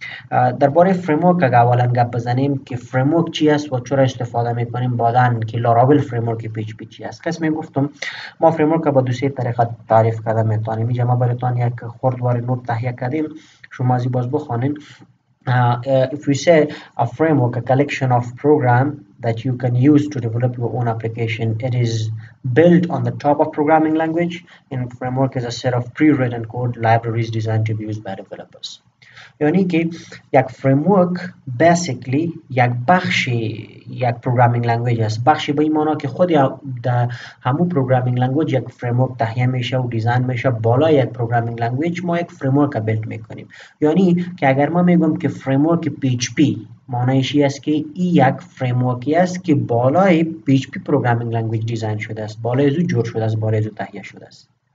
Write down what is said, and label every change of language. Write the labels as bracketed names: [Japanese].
[Persian] درباره فریم ورک اگر اولا گپ بزنیم که فریم ورک چی است و چرا استفاده می کنیم، بعدا که لاراول فریم ورک پی اچ پی چی است. قسم گفتم ما فریم ورک با دو سه طریقه تعریف کرده می توانیم. اینجا ما براتون یک خردوار نوت تهیه کردیم، شما از این باز بخونین. [English] If we say a framework, a collection of program that you can use to develop your own application, it is built on the top of programming language. In framework is a set of pre-written code libraries designed to be used by developers. [Persian] یعنی که یک framework basically یک بخشی یک programming language است. بخشی به این معنی که خود در همون programming language یک framework تهیه میشه و دیزاین میشه. بالا یک programming language ما یک framework بیلت میکنیم. یعنی که اگر ما میگم که framework PHP، معنیش این است که این یک framework است که بالای PHP programming language دیزاین شده است، بالای از او جور شده است، بالای از او تهیه شده است.